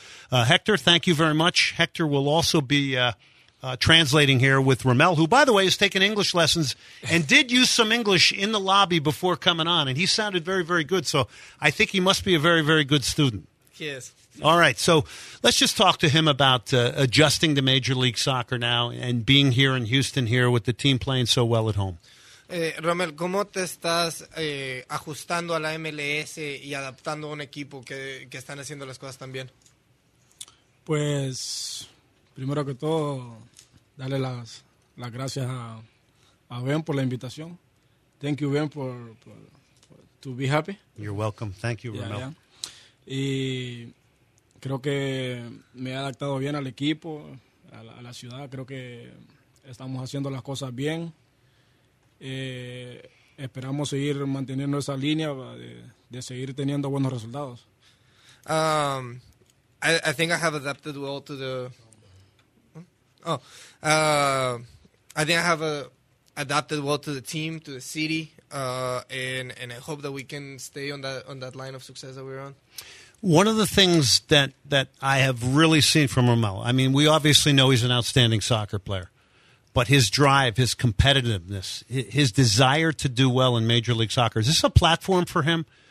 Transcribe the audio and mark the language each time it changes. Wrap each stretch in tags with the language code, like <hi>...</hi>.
<en>So, Hector, thank you very much. Hector will also be translating here with Ramel, who, by the way, has taken English lessons and did use some English in the lobby before coming on. And he sounded very, very good. So I think he must be a very, very good student. Yes. All right. So let's just talk to him about adjusting to Major League Soccer now and being here in Houston here with the team playing so well at home.</en> <es>Ramel, ¿cómo te estás ajustando a la MLS y adaptando a un equipo que están haciendo las cosas tan bien? Pues, primero que todo, darle las gracias a Ben por la invitación.</es> <en>Thank you, Ben, for to be happy. You're welcome. Thank you, Ramel. Yeah.</en> <es>Y creo que me he adaptado bien al equipo, a la ciudad. Creo que estamos haciendo las cosas bien. Esperamos seguir manteniendo esa línea de seguir teniendo buenos resultados.</es> <en>I think I have adapted well to the... adapted well to the team, to the city, and I hope that we can stay on that line of success that we're on. One of the things that I have really seen from Ramel, I mean, we obviously know he's an outstanding soccer player, but his drive, his competitiveness, his desire to do well in Major League Soccer, is this a platform for him?</en>